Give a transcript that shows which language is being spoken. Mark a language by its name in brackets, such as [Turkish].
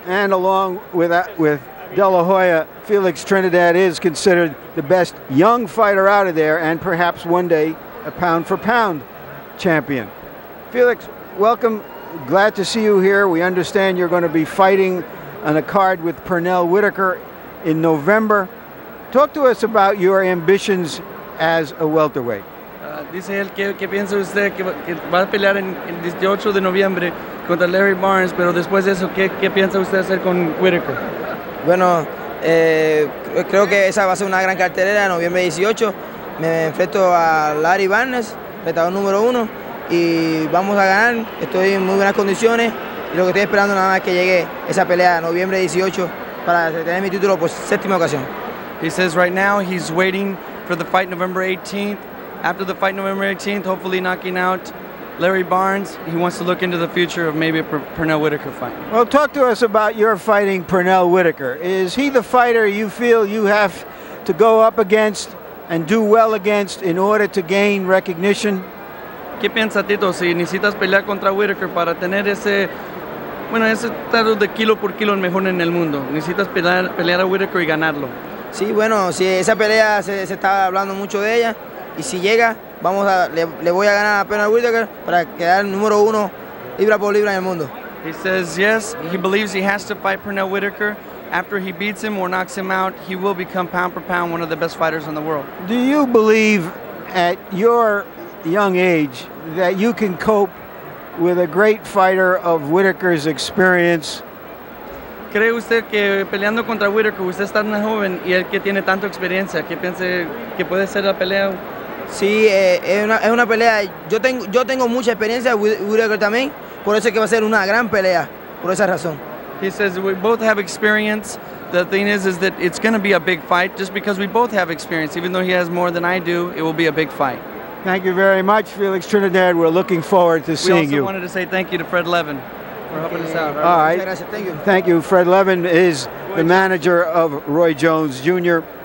[English] And along with De La Hoya, Felix Trinidad is considered the best young fighter out of there and perhaps one day a pound-for-pound champion. Felix, welcome. Glad to see you here. We understand you're going to be fighting on a card with Pernell Whitaker in November. Talk to us about your ambitions as a welterweight. [Spanish] Dice él que piensa usted que va a pelear en el 18 de noviembre contra Larry Barnes, pero después de eso, ¿qué piensa usted hacer con Whitaker? Bueno, creo que esa va a ser una gran cartelera, noviembre 18. Me enfrento a Larry Barnes, retador número uno, y vamos a ganar. Estoy en muy buenas condiciones y lo que estoy esperando nada más que llegue esa pelea noviembre 18 para retener mi título por séptima ocasión. [English] He says right now he's waiting for the fight November 18th. After the fight November 18th, hopefully knocking out Larry Barnes, he wants to look into the future of maybe a Pernell Whitaker fight. Well, talk to us about your fighting Pernell Whitaker. Is he the fighter you feel you have to go up against and do well against in order to gain recognition? [Spanish] ¿Qué piensa Tito? Si necesitas pelear contra Whitaker para tener ese, bueno, ese estado de kilo por kilo el mejor en el mundo. Necesitas pelear a Whitaker y ganarlo. Sí, bueno, si esa pelea se estaba hablando mucho de ella. Y si llega, vamos a le voy a ganar a Penal Whitaker para quedar número uno libra por libra en el mundo. [English] He says yes, he believes he has to fight Pernell Whitaker. After he beats him or knocks him out, he will become pound for pound one of the best fighters in the world. Do you believe at your young age that you can cope with a great fighter of Whitaker's experience? [Spanish] ¿Cree usted que peleando contra Whitaker, usted está tan joven y el que tiene tanta experiencia, que piense que puede ser la pelea? Sí, es una pelea. Yo tengo mucha experiencia with Whitaker también. Por eso es que va a ser una gran pelea, por esa razón. [English] He says we both have experience. The thing is that it's going to be a big fight just because we both have experience. Even though he has more than I do, it will be a big fight. Thank you very much, Felix Trinidad. We're looking forward to seeing you. We also wanted to say thank you to Fred Levin for helping us out. All right. Thank you. Thank you. Fred Levin is the manager of Roy Jones Jr.